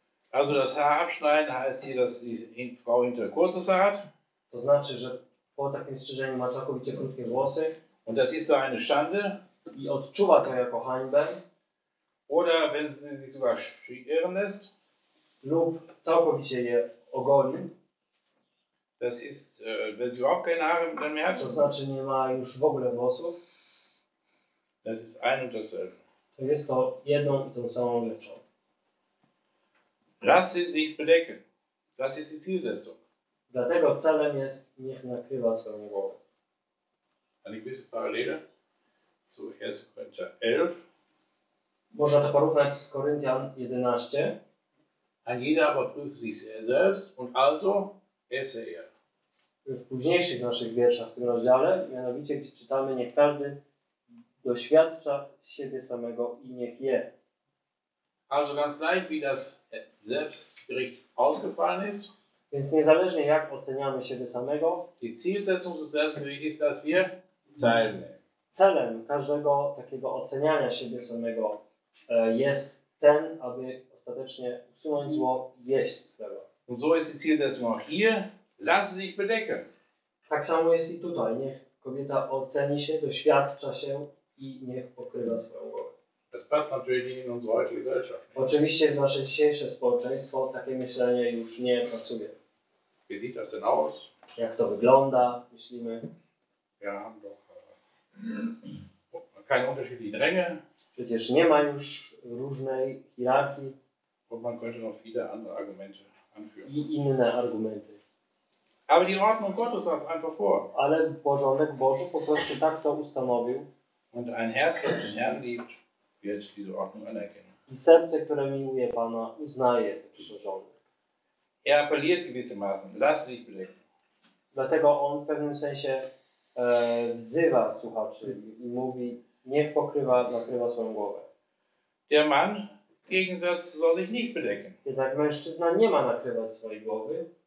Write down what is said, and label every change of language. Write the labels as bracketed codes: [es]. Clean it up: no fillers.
[de] Also das Haar abschneiden heißt hier, dass die Frau hinter kurzes Haar hat. [pl] To znaczy, że po takim strzyżeniu ma całkowicie krótkie włosy. [de] Und das ist so eine Schande. [pl] I odczuwa to jako hańbę. [de] Oder wenn sie sich sogar schieren lässt. [pl] Lub całkowicie je ogoli. [de] Das ist, wenn sie überhaupt keine Haare mehr hat. [pl] To znaczy, nie ma już w ogóle włosów. [de] Das ist ein und dasselbe. [pl] To jest to jedną i tą samą rzeczą. [de] Lass sie sich bedecken. Das ist die Zielsetzung. [pl] Dlatego celem jest, niech nakrywa swoją głowę. [de] Eine gewisse Parallele zu 1. Korinther 11. [pl] Można to porównać z Koryntian 11. [de] Ein jeder aber prüft sich selbst und also esse er. [pl] W późniejszych naszych wierszach w tym rozdziale, mianowicie gdzie czytamy, niech każdy doświadcza siebie samego i niech je. [de] Also ganz gleich, wie das Selbstgericht ausgefallen ist. [pl] Więc niezależnie jak oceniamy siebie samego, [de] die Zielsetzung des Selbstgerichts ist, dass wir teilnehmen. [pl] Celem każdego takiego oceniania siebie samego jest ten, aby ostatecznie usunąć zło i jeść z tego. [de] Und so ist die Zielsetzung auch hier. Lass sie sich bedecken. [pl] Tak samo jest i tutaj. Niech kobieta oceni się, doświadcza się i niech pokrywa swoją głowę. [de] Das passt natürlich in unsere heutige Gesellschaft. [pl] Oczywiście w nasze dzisiejsze społeczeństwo takie myślenie już nie pasuje. [de] Wie sieht das denn aus? [pl] Jak to wygląda, myślimy. [de] Ja, doch. Keine unterschiedlichen Ränge. [pl] Przecież nie ma już różnej hierarchii. [de] Und man könnte noch viele andere Argumente anführen. [pl] I inne argumenty. [de] Aber die Ordnung Gottes hat es einfach vor. [pl] Ale porządek Boży po prostu tak to ustanowił. [de] Und ein Herz, das den Herrn liebt, wird diese Ordnung anerkennen. [pl] I serce, które miłuje Pana, uznaje taki porządek. [de] Er appelliert gewissermaßen, lass sich bedecken. [pl] Dlatego on w pewnym sensie wzywa słuchaczy i mówi, niech pokrywa, nakrywa swoją głowę. [de] Der Mann, w Gegensatz, soll sich nicht bedecken. [pl] Jednak mężczyzna nie ma nakrywać swojej głowy.